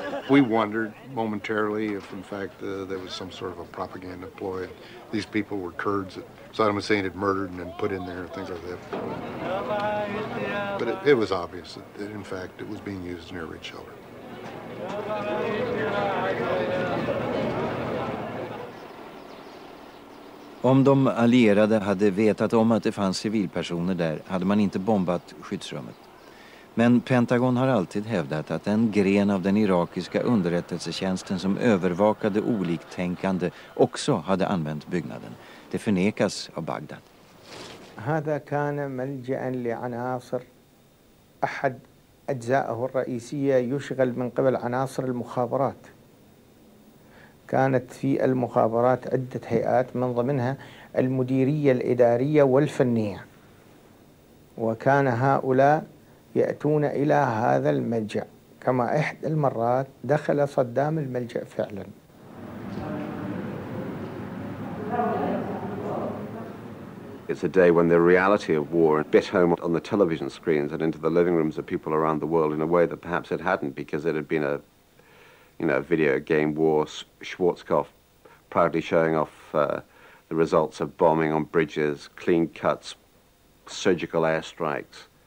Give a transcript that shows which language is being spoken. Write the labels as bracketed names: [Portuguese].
[English] We wondered momentarily if, in fact, there was some sort of a propaganda ploy. These people were Kurds that Saddam Hussein had murdered and then put in there, things like that. But it was obvious that, in fact, it was being used as an air raid shelter. [Swedish] Om de allierade hade vetat om att det fanns civilpersoner där hade man inte bombat skyddsrummet. Men Pentagon har alltid hävdat att den gren av den irakiska underrättelsetjänsten som övervakade oliktänkande också hade använt byggnaden. Det förnekas av Bagdad. [Arabic] هذا كان ملجأ لعناصر احد اجزائه الرئيسيه يشغل من قبل عناصر المخابرات. كانت في المخابرات عدة هيئات من ضمنها المديرية الإدارية والفنية وكان هؤلاء يأتون إلى هذا الملجأ كما إحدى المرات دخل صدام الملجأ فعلا. [English] It's a day when the reality of war bit home on the television screens and into the living rooms of people around the world in a way that perhaps it hadn't, because it had been a video game war, Schwarzkopf proudly showing off the results of bombing on bridges, clean cuts, surgical airstrikes.